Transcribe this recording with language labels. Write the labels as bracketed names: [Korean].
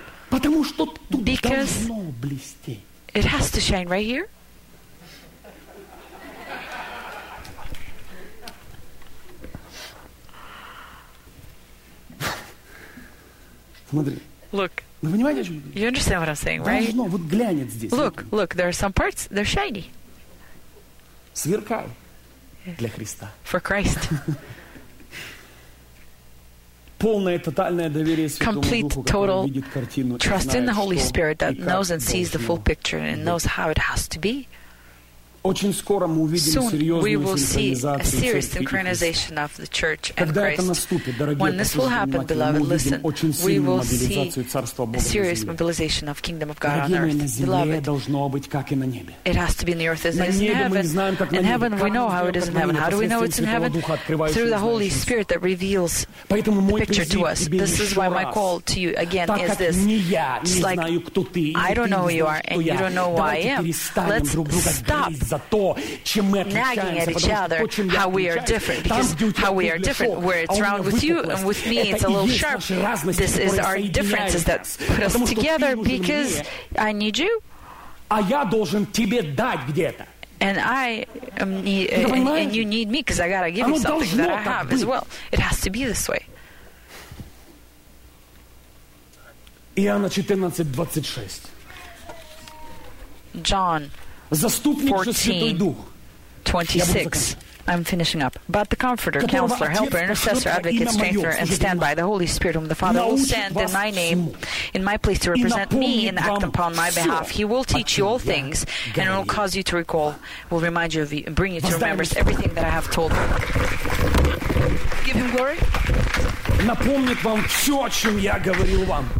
[Russian] Потому что тут должно блестеть. [English] It has to shine right here. [Russian] Смотри. [English] Look. [Russian] Вы понимаете, о чем я говорю? [English] You understand what I'm saying, right? [Russian] Должно, вот глянец здесь. [English] Look, look, there are some parts, they're shiny. [Russian] Сверкай для Христа. [English] For Christ. [Russian] Полное тотальное доверие Святому Духу, который видит картину. [English] Trust in the Holy Spirit that knows and sees the full picture and knows how it has to be. [Russian] Очень скоро мы увидим серьезную синхронизацию Церкви и Христа. Когда это наступит, дорогие друзья, мы увидим очень сильную мобилизацию Царства Бога на земле. Дорогие мои, на земле должно быть, как и на небе. [English] It has to be in the earth as it is in heaven. [Russian] Мы не знаем, как на небе. [English] We know how it is in heaven. How do we know it's in heaven? Through the Holy Spirit that reveals the picture to us. This is why my call to you again is this. It's like, I don't know who you are and you don't know who I am. Let's stop [Russian] за то, чем мы [English] nagging at each other, [Russian] то, чем [English] how we are different, because how we are different, where it's round with you and with me, it's a little sharp. This is our differences that put us together, because I need you. [Russian] А я должен тебе дать где-то. [English] And I and you need me, because I gotta give you something that I have as well. It has to be this way. [Russian] Иоанна 14:26. [English] John. [Russian] Заступник 14, же Святой Дух. [English] 26. I'm finishing up. But the Comforter, Counselor, Helper, Intercessor, Advocate, Strengthener, and Standby, the Holy Spirit, whom the Father will send in my name, in my place to represent me and act upon my behalf. He will teach you all things and will cause you to recall, will remind you of you, bring you to remembrance everything that I have told you. Give him glory. [Russian] Напомнит вам все, о чем я говорил вам.